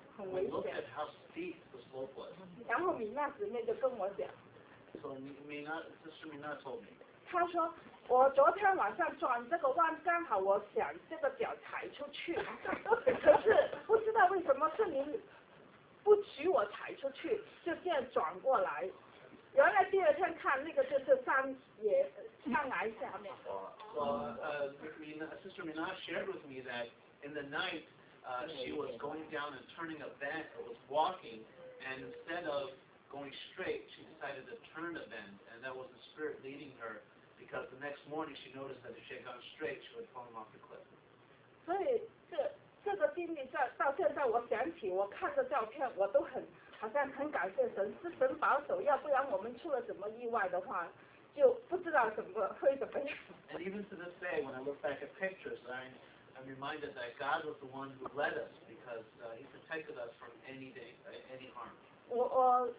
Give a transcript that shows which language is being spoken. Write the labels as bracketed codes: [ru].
[en] We looked at how steep the slope was. [zh] 然后米娜姊妹就跟我讲。 [en] So Sister Mina told me. [zh] 她说我昨天晚上转这个弯，刚好我想这个脚踩出去，可是不知道为什么圣灵不许我踩出去，就这样转过来。原来第二天看那个就是山野上崖下面。 [en] Sister Mina shared with me that in the night, she was going down and turning a bend, or was walking, and instead of going straight, she decided to turn a bend, and that was the spirit leading her, because the next morning she noticed that if she had gone straight, she would fall off the cliff. [zh] 所以这个经历到现在我想起，我看着照片我都很。好像很感谢神，是神保守，要不然我们出了什么意外的话，就不知道会怎么样。 [en] And even to this day, when I look back at pictures, I'm reminded that God was the one who led us because He protected us from any harm.